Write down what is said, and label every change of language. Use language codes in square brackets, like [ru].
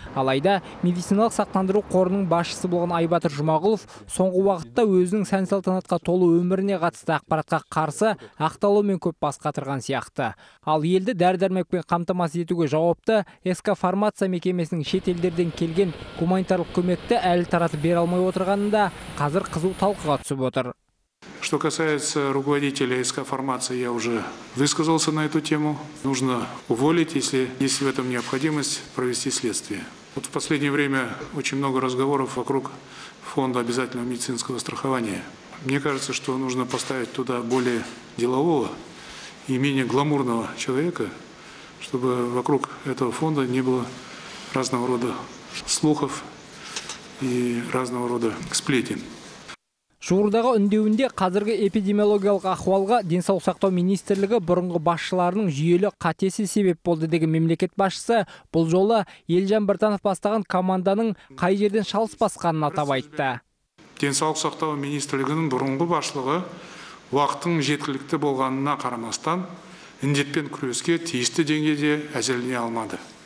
[kk] Алайда медициналық сақтандыру қорының басшысы болған Айбатыр Жұмағұлов соңғы уақытта өзінің сән-салтанатқа толы өміріне қатысты ақпаратқа қарсы ақталумен көп бас қатырған сияқты. Ал елді дәрі-дәрмекпен қамтамасыз етуге жауапты СК фармация мекемесінің шетелдерден келген гуманитарлық көмекті әлі таратып бере алмай отырғанында қазір қызу талқыға түсіп отыр. [ru] Что касается руководителя СК фармации, я уже высказался на эту тему. Нужно уволить, если есть в этом необходимость, провести следствие. Вот в последнее время очень много разговоров вокруг фонда обязательного медицинского страхования. Мне кажется, что нужно поставить туда более делового и менее гламурного человека, чтобы вокруг этого фонда не было разного рода слухов и разного рода сплетен. [kk] Жуырдағы үндеуінде қазіргі эпидемиологиялық ахуалға денсаулық сақтау министрлігі бұрынғы басшыларының жүйелі қатесі себеп болды деген мемлекет басшысы бұл жолы Елжан Біртанов бастаған команданың қай жерден шалыс басқанын атап айтты. Денсаулық сақтау министрлігінің бұрынғы басшылығы уақытының жеткілікті болғанына қарамастан індетпен күреске тиісті деңгейде әзірлене алмады.